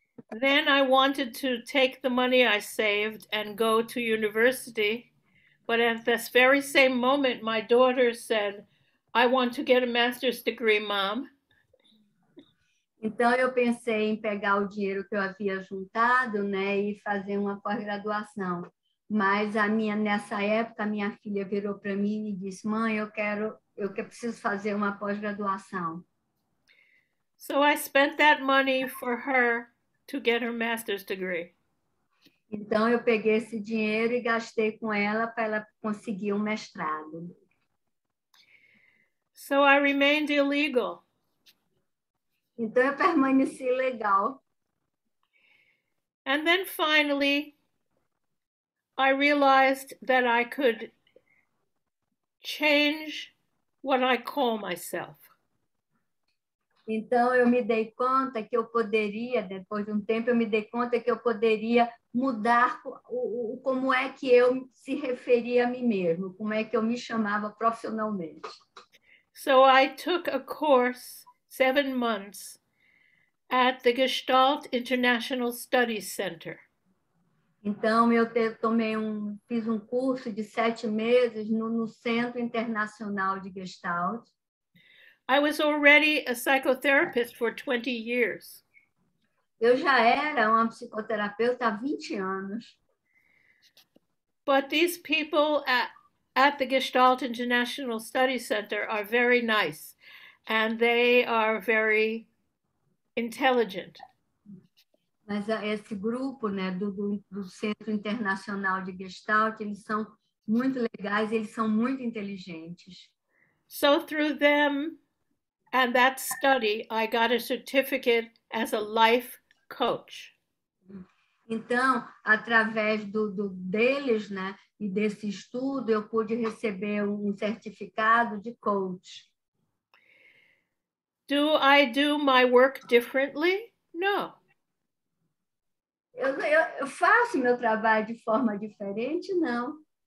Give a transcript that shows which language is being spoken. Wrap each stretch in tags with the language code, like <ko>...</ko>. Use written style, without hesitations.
<en>Then I wanted to take the money I saved and go to university. But at this very same moment, my daughter said, I want to get a master's degree, mom.</en> <pt>Então, eu pensei em pegar o dinheiro que eu havia juntado, né, e fazer uma pós-graduação. Mas nessa época, a minha filha virou para mim e disse, mãe, eu preciso fazer uma pós-graduação.</pt> <en>So I spent that money for her to get her master's degree.</en> <pt>Então, eu peguei esse dinheiro e gastei com ela para ela conseguir um mestrado.</pt> <en>So I remained illegal.</en> <pt>Então eu permaneci legal.</pt> <en>And then finally, I realized that I could change what I call myself.</en> <pt>Então eu me dei conta que eu poderia, depois de tempo, eu me dei conta que eu poderia mudar como é que eu se referia a mim mesmo, como é que eu me chamava profissionalmente.</pt> <en>So I took a course, 7 months, at the Gestalt International Studies Center.</en> <pt>Então, eu fiz um curso de 7 meses no Centro Internacional de Gestalt.</pt> <en>I was already a psychotherapist for 20 years.</en> <pt>Eu já era uma psicoterapeuta há 20 anos.</pt> <en>But these people at the Gestalt International Studies Center are very nice, and they are very intelligent.</en> <pt>Mas esse grupo, né, do Centro Internacional de Gestalt, eles são muito legais, eles são muito inteligentes.</pt> <en>So through them and that study, I got a certificate as a life coach.</en> <pt>Então, através deles, né, e desse estudo, eu pude receber um certificado de coach.</pt> <en>Do I do my work differently? No.</en> <pt>Eu faço meu trabalho de forma diferente? Não.</pt>